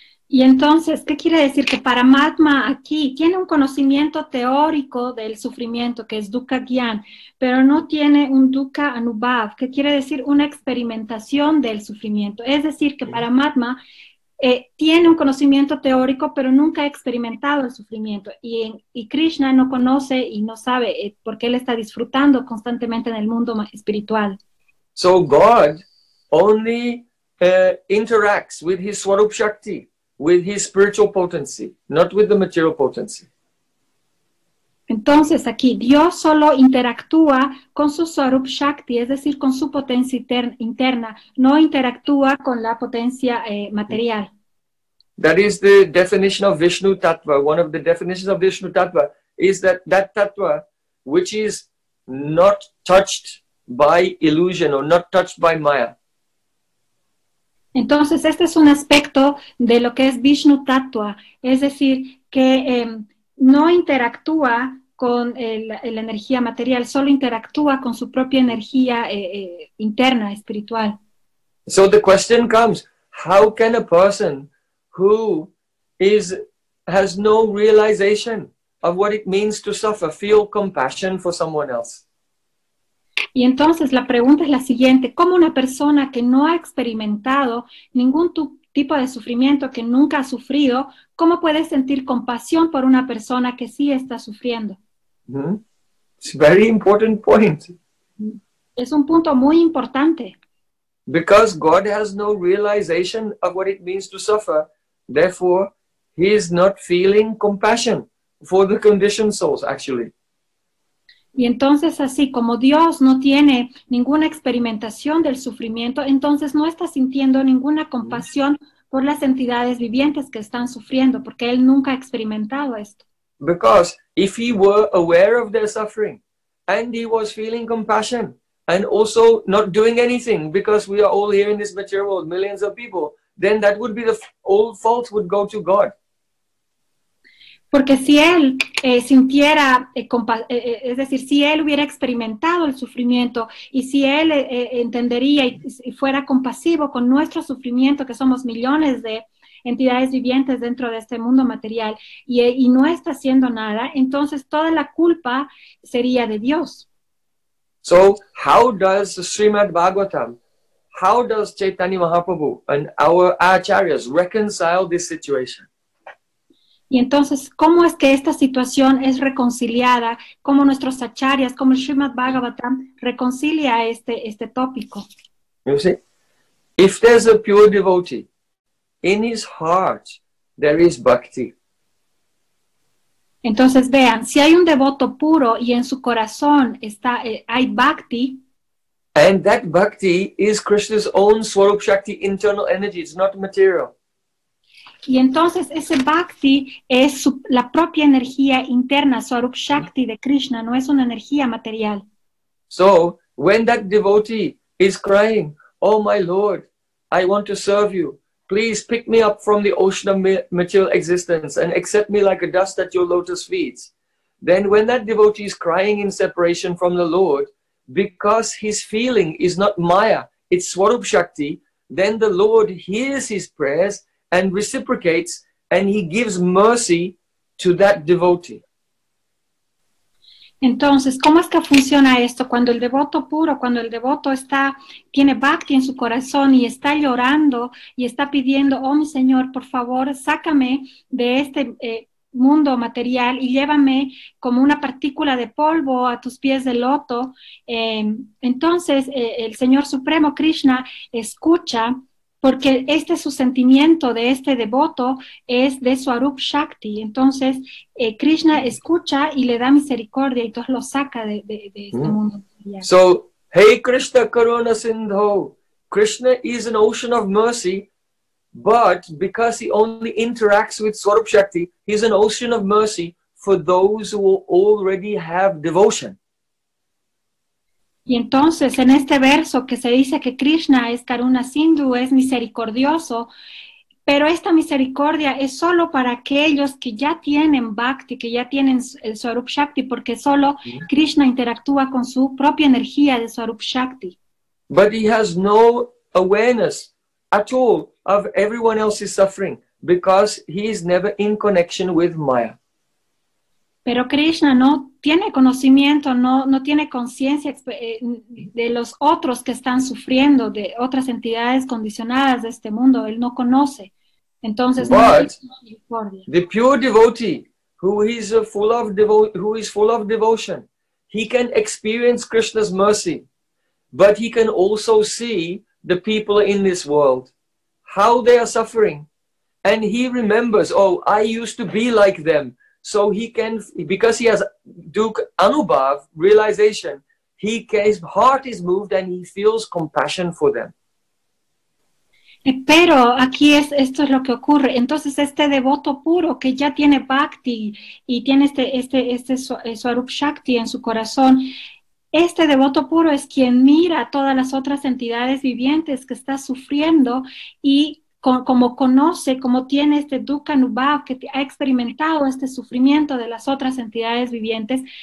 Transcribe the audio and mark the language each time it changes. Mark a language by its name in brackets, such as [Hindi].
[Spanish] Y entonces, ¿qué quiere decir? Que Paramatma aquí tiene un conocimiento teórico del sufrimiento, que es dukkha gyan, pero no tiene un dukkha anubhav, que quiere decir una experimentación del sufrimiento. Es decir, que Paramatma tiene un conocimiento teórico, pero nunca ha experimentado el sufrimiento. Y Krishna no conoce y no sabe por qué él está disfrutando constantemente en el mundo espiritual. [English] So God only interacts with his Swarup Shakti, with his spiritual potency, not with the material potency. [Spanish] Entonces aquí, Dios solo interactúa con su Swarup Shakti, es decir, con su potencia interna, no interactúa con la potencia material. [English] That is the definition of Vishnu Tattva. One of the definitions of Vishnu Tattva is that Tattva, which is not touched by illusion or not touched by Maya. [Spanish] Entonces, este es un aspecto de lo que es Vishnu Tattva, es decir, que no interactúa con la energía material, solo interactúa con su propia energía interna, espiritual. [English] So the question comes, how can a person who has no realization of what it means to suffer feel compassion for someone else? [Spanish] Y entonces la pregunta es la siguiente, ¿cómo una persona que no ha experimentado ningún tipo de sufrimiento, que nunca ha sufrido, cómo puede sentir compasión por una persona que sí está sufriendo? [English] It's a very important point. [Spanish] Es un punto muy importante. [English] Because God has no realization of what it means to suffer, therefore, He is not feeling compassion for the conditioned souls, actually. [Spanish] Y entonces, así como Dios no tiene ninguna experimentación del sufrimiento, entonces no está sintiendo ninguna compasión por las entidades vivientes que están sufriendo, porque Él nunca ha experimentado esto. [English] Because if He were aware of their suffering, and He was feeling compassion, and also not doing anything, because we are all here in this material world, millions of people, then that would be the all fault would go to God. [Spanish] Porque si Él sintiera, es decir, si Él hubiera experimentado el sufrimiento y si Él entendería y fuera compasivo con nuestro sufrimiento, que somos millones de entidades vivientes dentro de este mundo material y no está haciendo nada, entonces toda la culpa sería de Dios. [English] So, how does Srimad Bhagavatam, how does Chaitanya Mahaprabhu and our acharyas reconcile this situation? [Spanish] Y entonces, ¿cómo es que esta situación es reconciliada? ¿Cómo nuestros acharyas, como el Srimad Bhagavatam, reconcilia este tópico? [English] You see, if there's a pure devotee, in his heart there is bhakti. [Spanish] Entonces vean, si hay un devoto puro y en su corazón está hay bhakti. [English] And that bhakti is Krishna's own swarup shakti, internal energy, it's not material. [Spanish] Y entonces ese bhakti es la propia energía interna, swarup shakti de Krishna, no es una energía material. [English] So, when that devotee is crying, "Oh my Lord, I want to serve you. Please pick me up from the ocean of material existence and accept me like a dust at your lotus feet." Then when that devotee is crying in separation from the Lord, because his feeling is not maya, it's swarup shakti, then the Lord hears his prayers and reciprocates, and He gives mercy to that devotee. [Spanish] Entonces, ¿cómo es que funciona esto? Cuando el devoto puro, cuando el devoto está, tiene bhakti en su corazón y está llorando y está pidiendo, oh mi Señor, por favor, sácame de este mundo material y llévame como una partícula de polvo a tus pies de loto. Entonces, el Señor Supremo Krishna escucha, porque este es su sentimiento de este devoto, es de swarup shakti. Entonces, Krishna escucha y le da misericordia y todo lo saca de este mundo. [English] So, hey Krishna Karuna Sindho, Krishna is an ocean of mercy, but because He only interacts with swarup shakti, He is an ocean of mercy for those who already have devotion. [Spanish] Y entonces, en este verso que se dice que Krishna es Karuna Sindhu, es misericordioso, pero esta misericordia es solo para aquellos que ya tienen bhakti, que ya tienen el swarup shakti, porque solo Krishna interactúa con su propia energía de swarup shakti. [English] But He has no awareness at all of everyone else's suffering, because He is never in connection with maya. [Spanish] Pero Krishna no tiene conocimiento, no tiene conciencia de los otros que están sufriendo, de otras entidades condicionadas de este mundo. Él no conoce. Entonces, [English] but [Spanish] no hay misericordia. [English] The pure devotee who is full of devotion, he can experience Krishna's mercy, but he can also see the people in this world, how they are suffering. And he remembers, oh, I used to be like them. So he can, because he has Dukh Anubhav, realization, his heart is moved and he feels compassion for them. [Spanish] Pero aquí esto es lo que ocurre. Entonces este devoto puro que ya tiene bhakti y tiene este swarup shakti en su corazón, este devoto puro es quien mira a todas las otras entidades vivientes que está sufriendo y como conoce, como tiene este Dukkha Anubhav, que ha experimentado este sufrimiento de las otras entidades vivientes,